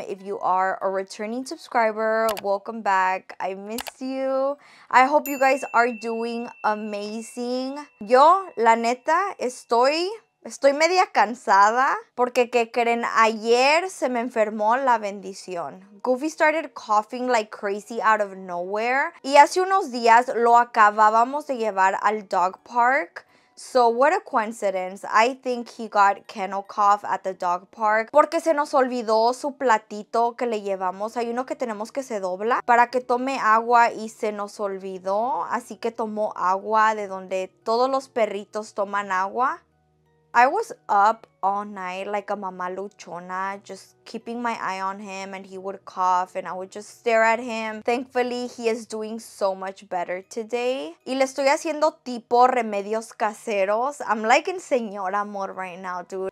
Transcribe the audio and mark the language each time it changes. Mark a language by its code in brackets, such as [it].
[en] If you are a returning subscriber, welcome back. I miss you. I hope you guys are doing amazing. [es] Yo, la neta, estoy media cansada porque que creen, ayer se me enfermó la bendición. [en] Goofy started coughing like crazy out of nowhere. [es] Y hace unos días lo acabábamos de llevar al dog park. [en] So what a coincidence. I think he got kennel cough at the dog park [es] porque se nos olvidó su platito que le llevamos. Hay uno que tenemos que se dobla para que tome agua y se nos olvidó. Así que tomó agua de donde todos los perritos toman agua. [en] I was up all night like a mamá luchona, just keeping my eye on him, and he would cough and I would just stare at him. Thankfully, he is doing so much better today. [es] Y le estoy haciendo tipo remedios caseros. [en] I'm like in señora mode right now, dude.